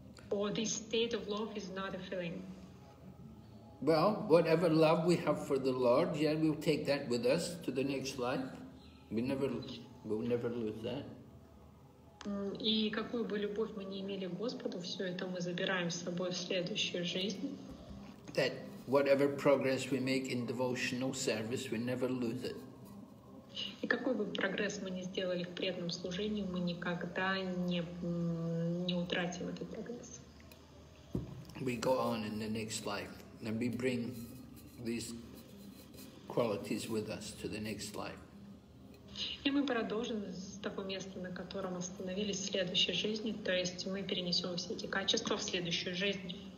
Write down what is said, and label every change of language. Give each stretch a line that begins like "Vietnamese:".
English: Or this state of love is not a feeling? Well, whatever love we have for the Lord, yeah, we'll take that with us to the next life. We'll never lose that.
Russian: И какую бы любовь мы не имели к Господу, все это мы забираем с собой в следующую жизнь.
English: That whatever progress we make in devotional service, we never lose it.
Russian: И какой бы прогресс мы ни сделали в преданном служении, мы никогда не утратим этот прогресс.
English: We go on in the next life, and we bring these qualities with us to the next life.
Russian: И мы продолжим с того места, на котором остановились в следующей жизни, то есть мы перенесем все эти качества в следующую жизнь.